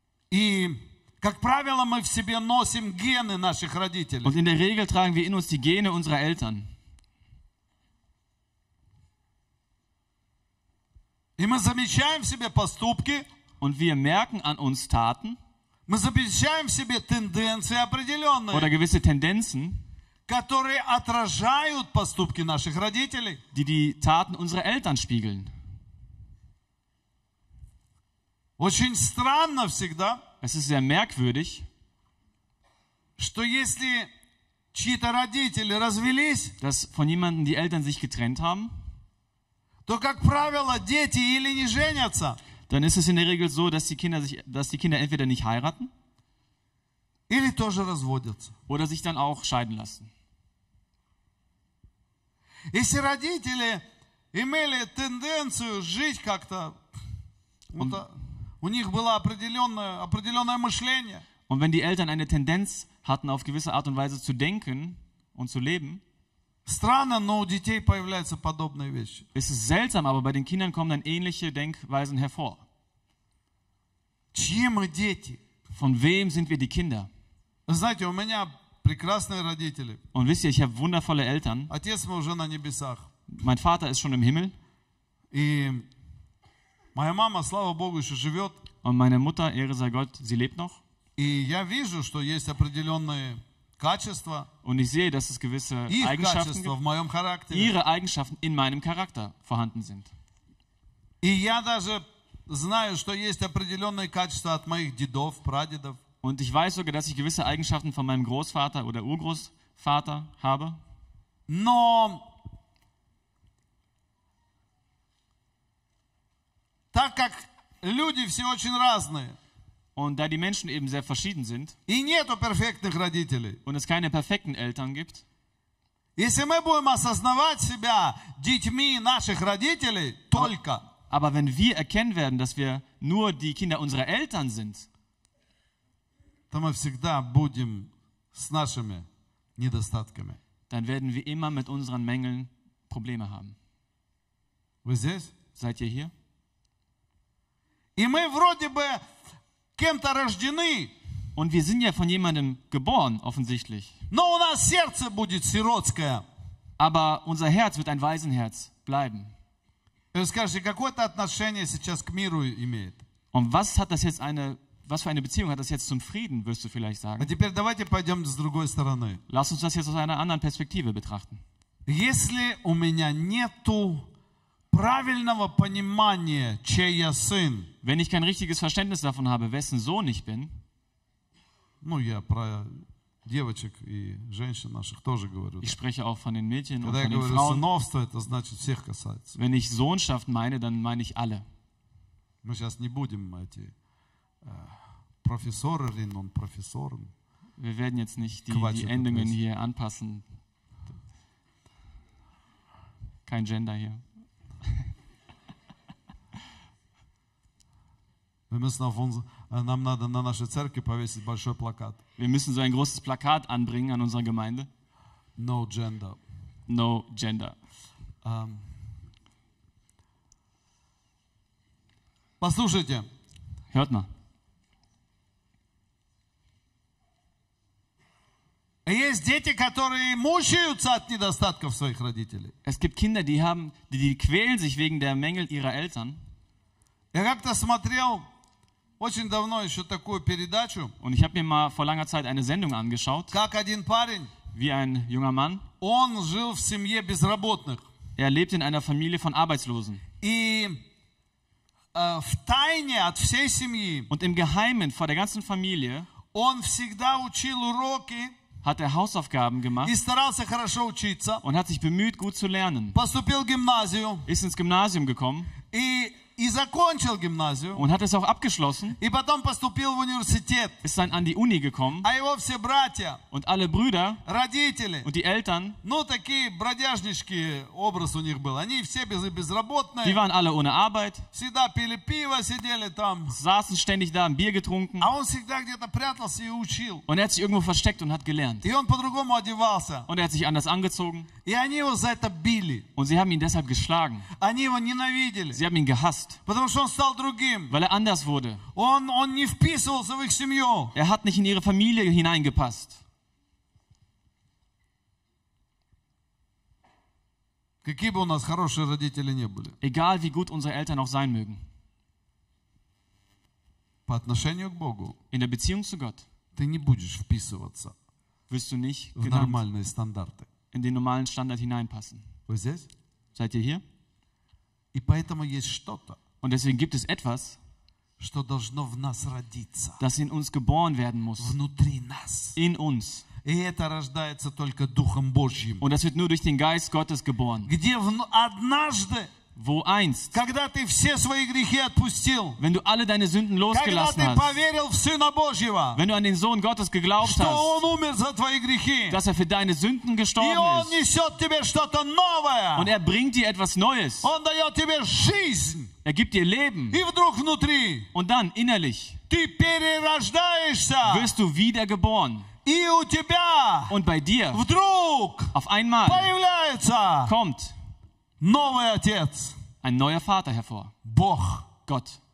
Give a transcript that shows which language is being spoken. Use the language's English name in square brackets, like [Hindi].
[Russian] И как правило, мы в себе носим гены наших родителей. [German] Und in der Regel tragen wir in uns die Gene unserer Eltern. [Russian] И мы замечаем в себе поступки. [German] Und wir merken an uns Taten. [Russian] Мы замечаем в себе тенденции определенные. [German] Oder gewisse Tendenzen. [Russian] Которые отражают поступки наших родителей. [German] Die die Taten unserer Eltern spiegeln. [Russian] Очень странно всегда. [German] Es ist sehr merkwürdig. [Russian] Что если чьи-то родители развелись. [German] Dass von jemandem die Eltern sich getrennt haben. [Russian] То, как правило, дети или не женятся. [German] Dann ist es in der Regel so, dass die Kinder entweder nicht heiraten. [Russian] Или тоже разводятся. [German] Oder sich dann auch scheiden lassen. [Russian] Если родители имели тенденцию жить как-то, und, вот, у них было определенное мышление. [German] Und wenn die Eltern eine Tendenz hatten, auf gewisse Art und Weise zu denken und zu leben, [Russian] Странно, но у детей появляются подобные вещи. [German] Es ist seltsam, aber bei den Kindern kommen dann ähnliche Denkweisen hervor. [Russian] Чьи мы дети? [German] Von wem sind wir die Kinder? [Russian] Знаете, у меня прекрасные родители. [German] Und wisst ihr, ich habe wundervolle Eltern. [Russian] Отец мой уже на небесах. [German] Mein Vater ist schon im Himmel. [Russian] И моя мама, слава Богу, еще живет. [German] Und meine Mutter, Ehre sei Gott, sie lebt noch. [Russian] И я вижу, что есть определенные качества. [German] Und ich sehe, dass es gewisse Eigenschaften gibt, [Russian] в моем характере. [German] Ihre Eigenschaften in meinem Charakter vorhanden sind. [Russian] И я даже знаю, что есть определенные качества от моих дедов, прадедов. [German] Und ich weiß sogar, dass ich gewisse Eigenschaften von meinem Großvater oder Urgroßvater habe. [Russian] Но так как люди все очень разные. [German] Und da die Menschen eben sehr verschieden sind [Russian] и нету перфектных родителей, [German] und es keine perfekten Eltern gibt, [Russian] если мы будем осознавать себя детьми наших родителей только, [German] aber wenn wir erkennen werden, dass wir nur die Kinder unserer Eltern sind, [Russian] то мы всегда будем с нашими недостатками. [German] Dann werden wir immer mit unseren Mängeln Probleme haben. [Russian] Вы здесь? [German] Seid ihr hier? [Russian] И мы вроде бы кем-то рождены. [German] Und wir sind ja von jemandem geboren, offensichtlich. [Russian] Но у нас сердце будет сиротское. [German] Aber unser Herz wird ein Waisenherz bleiben. [Russian] Вы скажете, какое это отношение сейчас к миру имеет? [German] Und was hat das jetzt eine, was für eine Beziehung hat das jetzt zum Frieden, wirst du vielleicht sagen? [Russian] А теперь давайте пойдем с другой стороны. [German] Lass uns das jetzt aus einer anderen Perspektive betrachten. [Russian] Если у меня нету правильного понимания, чей я сын. [German] Wenn ich kein richtiges Verständnis davon habe, wessen Sohn ich bin. [Russian] Ну, я про девочек и женщин наших тоже говорю. [German] Ich spreche auch von den Mädchen [Russian] Когда [German] und von [Russian] говорю, [German] den Frauen. [Russian] Сыновство, это значит всех касается. [German] Wenn ich Sohnschaft meine, dann meine ich alle. [Russian] Мы сейчас не будем эти профессорин und профессорин. [German] Wir werden jetzt nicht die Endungen hier anpassen. Kein Gender hier. [Russian] Нам надо на нашей церкви повесить большой плакат. [German] Wir müssen so ein großes Plakat anbringen an unserer Gemeinde. [English] No gender. No gender. [Russian] Послушайте. [German] Hört mal. [Russian] Есть дети, которые мучаются от недостатков своих родителей. [German] Es gibt Kinder, die quälen sich wegen der Mängel ihrer Eltern. [Russian] Я как-то смотрел очень давно еще такую передачу. [German] Und ich habe mir mal vor langer Zeit eine Sendung angeschaut. [Russian] Как один парень, [German] wie ein junger Mann. [Russian] Он жил в семье безработных. [German] Er lebt in einer Familie von Arbeitslosen. [Russian] И в тайне от всей семьи. [German] Und im Geheimen vor der ganzen Familie. [Russian] Он всегда учил уроки. [German] Hat er Hausaufgaben gemacht. [Russian] И старался хорошо учиться. [German] Und hat sich bemüht, gut zu lernen. [Russian] Поступил в гимназию. [German] Ist ins Gymnasium gekommen. [Russian] И закончил гимназию. [German] Und hat es auch abgeschlossen. [Russian] И потом поступил в университет. [German] Ist dann an die Uni gekommen. [Russian] А его все братья. [German] Und alle Brüder. [Russian] Родители. [German] Und die Eltern. [Russian] Ну, такие бродяжнички образ у них был. Они все безработные. [German] Die waren alle ohne Arbeit. [Russian] Всегда пили пиво, сидели там. [German] Saßen ständig da, ein Bier getrunken. [Russian] А он всегда где-то прятался и учил. [German] Und er hat sich irgendwo versteckt und hat gelernt. [Russian] И он по-другому одевался. [German] Und er hat sich anders angezogen. [Russian] И они его за это били. [German] Und sie haben ihn deshalb geschlagen. [Russian] Они его ненавидели. [German] Sie haben ihn gehasst. [Russian] Потому что он стал другим. [German] Weil er anders wurde. [Russian] Он не вписывался в их семью. [German] Er hat nicht in ihre Familie hineingepasst. [Russian] Какие бы у нас хорошие родители не были. [German] Egal wie gut unsere Eltern auch sein mögen. [Russian] По отношению к Богу. [German] In der Beziehung zu Gott. [Russian] Ты не будешь вписываться. [German] Wirst du nicht [Russian] в нормальные стандарты. [German] In den normalen Standard hineinpassen. [Russian] Вы здесь? [German] Seid ihr hier? [Russian] И поэтому есть что-то. [German] Und deswegen gibt es etwas, [Russian] что должно в нас родиться. [German] Das in uns geboren werden muss. [Russian] Внутри нас. [German] In uns. [Russian] И это рождается только Духом Божьим. [German] Und das wird nur durch den Geist Gottes geboren. [Russian] Где однажды, [German] wo einst, [Russian] когда ты все свои грехи отпустил, [German] wenn du alle deine Sünden losgelassen hast, [Russian] когда ты поверил в Сына Божьего, [German] wenn du an den Sohn Gottes geglaubt [Russian] что [German] hast, [Russian] он умер за твои грехи, [German] dass er für deine Sünden gestorben [Russian] ist, и он несет тебе что-то новое, [German] und er bringt dir etwas Neues, [Russian] он дает тебе жизнь, [German] er gibt dir Leben, [Russian] и вдруг внутри, [German] und dann innerlich, [Russian] ты перерождаешься, [German] wirst du wiedergeboren, Und bei dir auf einmal kommt ein neuer Vater hervor. Gott.